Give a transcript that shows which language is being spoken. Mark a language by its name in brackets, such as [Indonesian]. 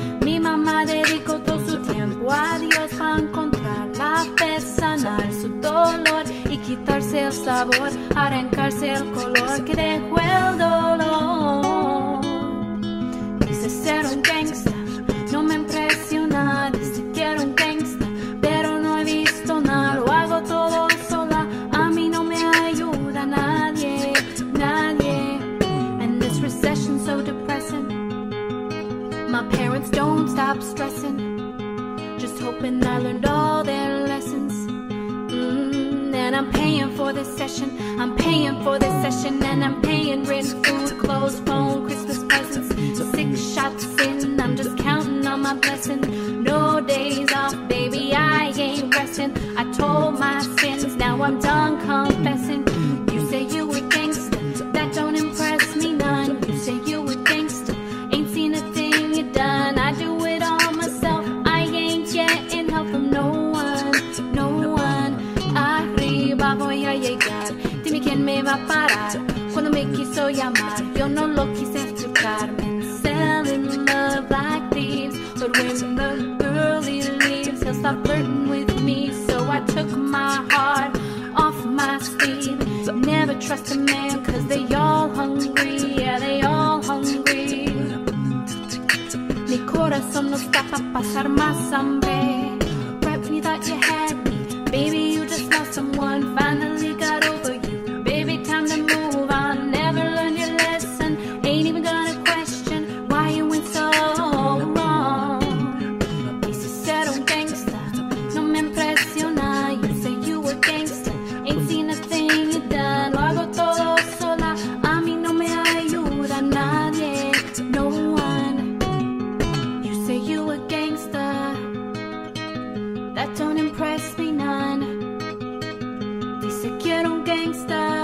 [Spanish] Mi mamá dedicó todo su tiempo a Dios para encontrar la fe, sanar su dolor y quitarse el sabor, arrancarse el color que dejó el dolor. Dice ser un gangsta, no me impresiona. Dice quiero un gangsta, pero no he visto nada. Lo hago todo sola, a mí no me ayuda nadie, nadie. [English] And this recession so depressing, my parents don't stop stressing, just hoping I learned all their lessons. And I'm paying for this session, I'm paying for this session. And I'm paying rent, food, clothes, phone, Christmas presents. Six shots in, I'm just counting on my blessing. No days off, baby, I ain't resting. I told my sins, now I'm done confessing. You say you were gangsta, that don't impress me none. You say you were gangsta, ain't seen a thing you done. I do it all myself, I ain't getting help from no one, no one. [Spanish] Arriba voy a llegar, dime quién me va a parar. Cuando me quiso llamar, yo no lo quise explicar. [English] In love like thieves, but when the girly leaves, he'll stop flirting with me. So I took my heart off my sleeve. Never trust a man, cause they all hungry. Yeah, they all hungry. [Spanish] Mi corazón no está pa' pasar más hambre. [English] Right when you thought you had me, baby, you just lost someone. Finally got over you, baby, time to move on. Never learn your lesson, ain't even gonna question why you went so wrong. [Spanish] Dice ser un gangsta, no me impresiona. [English] You say you were gangsta, ain't seen a thing you done. [Spanish] Lo hago todo sola, a mí no me ayuda nadie, [English] no one. You say you were gangsta, that don't impress me none. [Spanish] Dice quiero un gangsta,